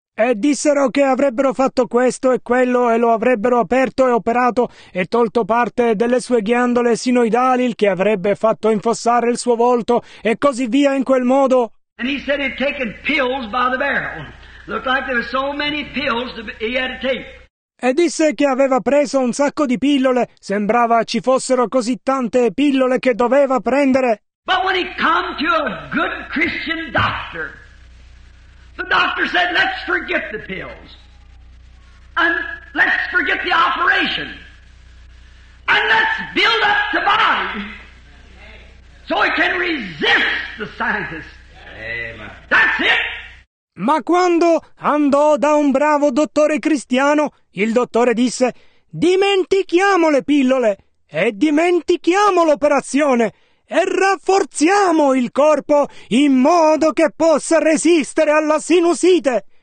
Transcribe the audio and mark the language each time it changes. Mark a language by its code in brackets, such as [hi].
[it] E dissero che avrebbero fatto questo e quello e lo avrebbero aperto e operato e tolto parte delle sue ghiandole sinoidali, il che avrebbe fatto infossare il suo volto e così via in quel modo. [en] And he said he'd taken pills by the barrel. Looked like there were so many pills he had to take. [it] E disse che aveva preso un sacco di pillole, sembrava ci fossero così tante pillole che doveva prendere. [en] But when he came to a good Christian doctor, the doctor said, let's forget the pills, and let's forget the operation, and let's build up the body, so it can resist the sinus. That's it! [it] Ma quando andò da un bravo dottore cristiano, il dottore disse, dimentichiamo le pillole, e dimentichiamo l'operazione, e rafforziamo il corpo in modo che possa resistere alla sinusite.